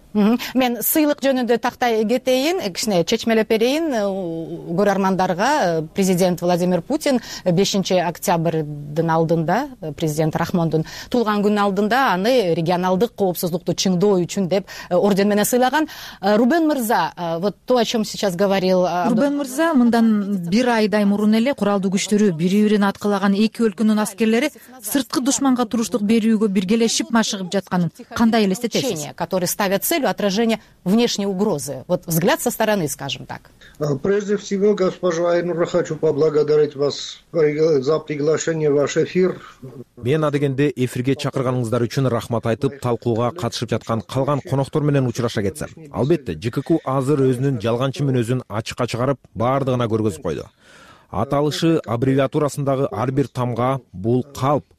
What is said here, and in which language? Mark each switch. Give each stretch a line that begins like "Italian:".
Kyrgyz: Мен сыйлык жөнүндө тактай кетейин, кичине чечмелеп берейин көрөрмандарга. Президент Владимир Путин 5 октябрдын алдында, президент Рахмондун туулган күнүнүн алдында аны региональдык коопсуздукту чыңдоо үчүн деп орден менен сыйлаган.
Russian: Рубен мырза, вот то, о чем сейчас говорил
Kyrgyz: Рубен мырза, мындан бир айдай мурун эле куралдуу күчтөрү бири бирин аткылаган эки өлкөнүн аскерлери сырткы душманга туруштук берүүгө биргелешип машыгып жатканын кандай элестетесиз?
Russian: Которые ставят целью отражения внешней угрозы. Вот взгляд со стороны, скажем так. Прежде всего, госпожа Айнура, хочу поблагодарить вас за приглашение в ваш эфир.
Kyrgyz: Мен адегенде эфирге чакырганыңыздар үчүн рахмат айтып, талкууга катышып жаткан калган коноктор менен учураша кетсем. Албетте, ЖККУ азыр өзүнүн жалганчы мүнөзүн ачыкка чыгарып, баардыгына көргөзүп койду. Аталышы аббревиатурасындагы ар бир тамга бул калп.